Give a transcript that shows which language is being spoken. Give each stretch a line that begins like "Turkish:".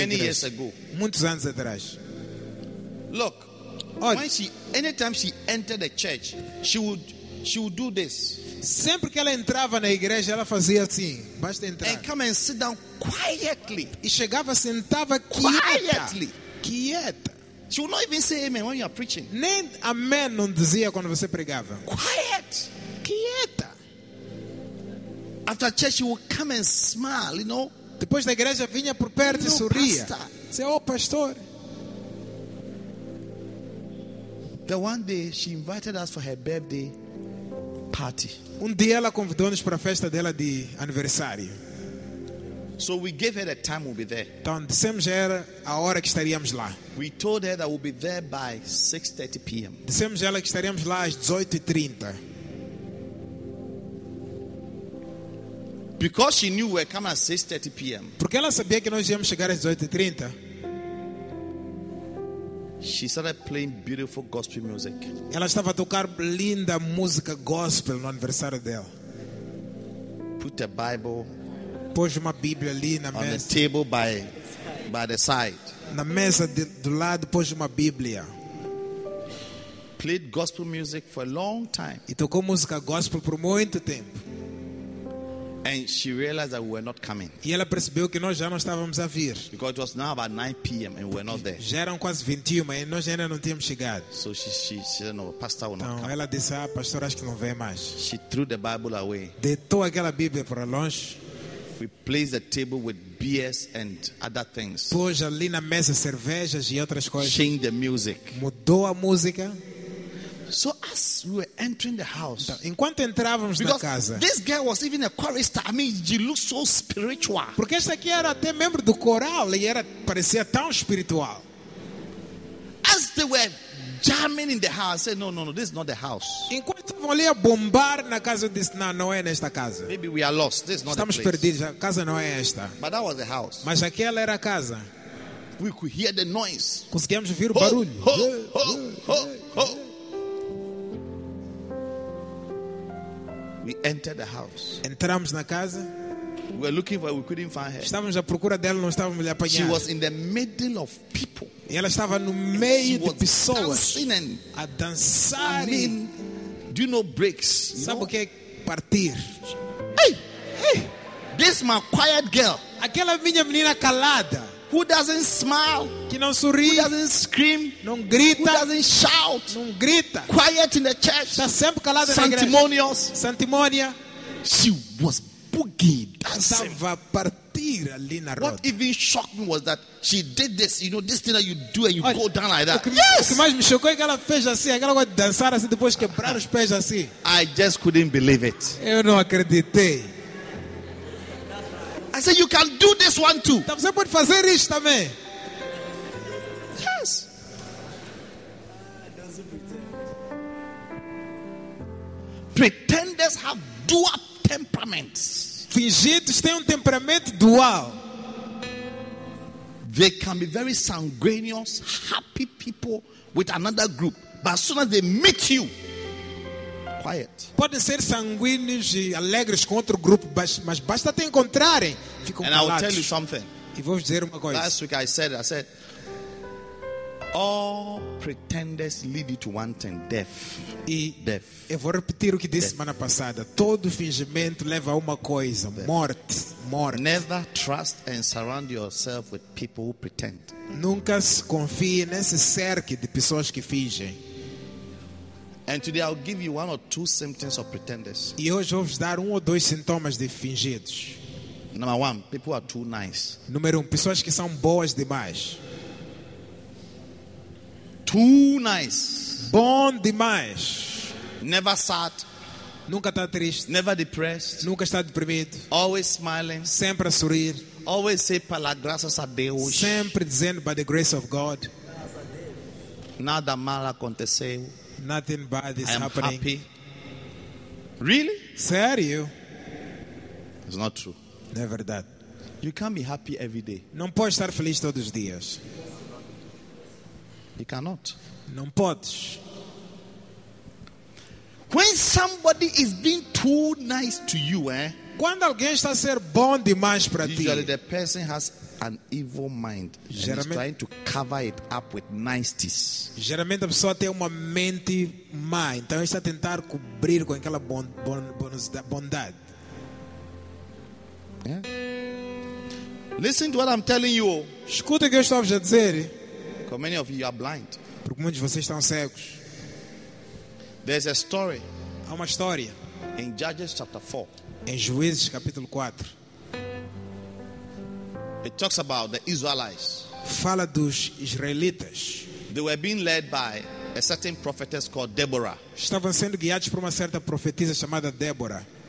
English: Many
Portuguese: igreja.
English: Many years ago.
Portuguese: Muitos anos atrás.
English: Look. When she, anytime she entered the church, she would do this.
Portuguese: Sempre que ela entrava na igreja, ela fazia assim. Basta entrar.
English: And come and sit down quietly.
Portuguese: E chegava, sentava quieta.
English: Quietly.
Portuguese: Quieta.
English: She would not even say amen when you are preaching.
Portuguese: Nem amém não dizia quando você pregava.
English: Quiet.
Portuguese: Quieta.
English: After church, she would come and smile, you know.
Portuguese: Depois da igreja, vinha por perto e sorria. Disse, oh, pastor.
English: Then one day, she invited us for her birthday party.
Portuguese: Dia ela convidou-nos para a festa dela de aniversário.
English: So we gave her the time we'll be there.
Portuguese: Então dissemos a ela a hora que estaríamos lá.
English: We told her that we'll be there by 6:30 p.m.
Portuguese: Dissemos a ela que estaríamos lá às 18:30.
English: Because she knew we're coming at 6:30 p.m.
Portuguese: Porque ela sabia que nós íamos chegar às 18:30.
English: She started playing beautiful gospel music.
Portuguese: Ela estava a tocar linda música gospel no aniversário dela.
English: Put a Bible.
Portuguese: Pôs uma Bíblia ali na mesa.
English: On the table by the side.
Portuguese: Na mesa do lado pôs uma Bíblia.
English: Played gospel music for a long time.
Portuguese: E tocou música gospel por muito tempo.
English: And she realized that we were not coming.
Portuguese: E ela percebeu que nós já não estávamos a vir.
English: Because it was now about 9 p.m. and we were not there.
Portuguese: Já eram quase 21 e nós ainda não tínhamos chegado.
English: So she said, no, pastor will
Portuguese: então,
English: not come.
Portuguese: Ela disse, ah, pastor, acho que não vem mais.
English: She threw the Bible away.
Portuguese: Deitou aquela Bíblia para longe.
English: We placed the table with beers and other things.
Portuguese: Pôs ali na mesa cervejas e outras coisas.
English: Changed the music.
Portuguese: Mudou a música.
English: So as we were entering the house,
Portuguese: então, enquanto entrávamos na casa,
English: this girl was even a chorister. I mean, she looked so spiritual.
Portuguese: Porque esta aqui era até membro do coral e era parecia tão espiritual.
English: As they were jamming in the house, I said, no, this is not the house.
Portuguese: Enquanto estavam ali a bombar na casa, eu disse, não é nesta casa.
English: Maybe we are lost. This is not
Portuguese: Estamos
English: the place.
Portuguese: Estamos perdidos. A casa não é esta.
English: But that was the house.
Portuguese: Mas aquela era a casa.
English: We could hear the noise.
Portuguese: Conseguíamos ouvir o barulho. Ho, ho, ho, ho.
English: entered the house.
Portuguese: Entramos na casa.
English: We were looking for her, we couldn't find her.
Portuguese: Estávamos à procura dela, não estávamos a lhe apanhar.
English: She was in the middle of people.
Portuguese: E ela estava no meio
English: she
Portuguese: de pessoas.
English: Dancing and
Portuguese: a dançar.
English: I mean, do you know breaks?
Portuguese: Sabe
English: you know?
Portuguese: O que é partir? Hey, hey,
English: this my quiet girl.
Portuguese: Aquela minha menina calada.
English: Who doesn't smile?
Portuguese: Que não sorri.
English: Who doesn't scream?
Portuguese: Não grita.
English: Who doesn't shout?
Portuguese: Não grita.
English: Quiet in the church.
Portuguese: Está sempre calada.
English: Sanctimonious.
Portuguese: Santimonia.
English: She was boogie dancing.
Portuguese: Estava a partir ali na roda.
English: What even shocked me was that she did this. You know, this thing that you do and you
Portuguese: olha,
English: go down like that.
Portuguese: O que,
English: yes!
Portuguese: O que mais me chocou é que ela fez assim. Aquela coisa de dançar assim, depois quebrar os pés assim.
English: I just couldn't believe it.
Portuguese: Eu não acreditei.
English: I said, you can do this one too.
Portuguese: Você pode fazer isso também.
English: Yes. Pretenders have dual temperaments.
Portuguese: Fingidos têm temperamento dual.
English: They can be very sanguineous, happy people with another group. But as soon as they meet you, quiet.
Portuguese: Podem ser sanguíneos e alegres com outro grupo, mas basta te encontrarem.
English: And I will tell you something.
Portuguese: E vou dizer uma coisa.
English: Last week I said, all pretenders lead you to one thing, death.
Portuguese: E
English: death.
Portuguese: Eu vou repetir o que disse semana passada. Todo fingimento leva a uma coisa, death. Morte.
English: Never trust and surround yourself with people who pretend.
Portuguese: Nunca se confie nesse cerque de pessoas que fingem.
English: And today I'll give you one or two symptoms of pretenders.
Portuguese: E hoje vou dar um ou dois sintomas de fingidos.
English: Number one, people are too nice.
Portuguese: Número 1, pessoas que são boas demais.
English: Too nice.
Portuguese: Bom demais.
English: Never sad.
Portuguese: Nunca está triste.
English: Never depressed.
Portuguese: Nunca está deprimido.
English: Always smiling.
Portuguese: Sempre a sorrir.
English: Always say
Portuguese: pela graças a Deus. Sempre dizendo
English: by the grace of God.
Portuguese: Nada mal aconteceu.
English: Nothing bad is I am happening. Happy. Really?
Portuguese: Sério?
English: It's not true.
Portuguese: Não é verdade.
English: You can't be happy every day.
Portuguese: Não pode estar feliz todos os dias.
English: You cannot.
Portuguese: Não podes.
English: When somebody is being too nice to you, eh?
Portuguese: Quando alguém está a ser bom demais para ti.
English: Usually the person has an evil mind.
Portuguese: Geralmente,
English: and is trying to cover it up with niceties.
Portuguese: Geralmente a pessoa tem uma mente má, então está a tentar cobrir com aquela bondade.
English: Yeah. Listen to what I'm telling you.
Portuguese: Escuta o que eu estou a dizer.
English: Because many of you are blind.
Portuguese: Porque muitos de vocês estão cegos.
English: There's a story.
Portuguese: Há uma história.
English: In Judges chapter 4.
Portuguese: Em Juízes capítulo 4.
English: It talks about the Israelites.
Portuguese: Fala dos israelitas.
English: They were being led by a certain prophetess called Deborah.
Portuguese: Estavam sendo guiados por uma certa profetisa chamada Deborah.